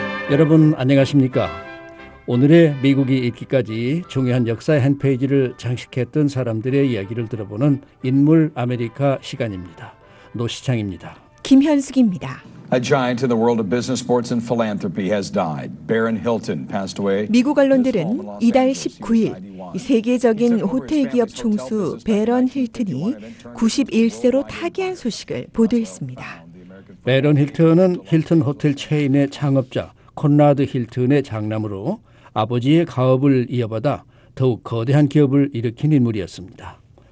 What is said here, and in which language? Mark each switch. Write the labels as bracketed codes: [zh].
[ko] 여러분 안녕하십니까? 오늘의 미국이 있기까지 중요한 역사의 한 페이지를 장식했던 사람들의 이야기를 들어보는 인물 아메리카 시간입니다. 노시창입니다. 김현숙입니다. [en] A giant in the world of business, sports, and philanthropy has died. Baron Hilton passed away. [ko] 미국 언론들은 이달 19일 세계적인 호텔 기업 총수 베런 힐튼이 91세로 타계한 소식을 보도했습니다. 베런 힐튼은 힐튼 호텔 체인의 창업자 콘라드 힐튼의 장남으로 아버지의 가업을 이어받아 더욱 거대한 기업을 일으킨 인물이었습니다.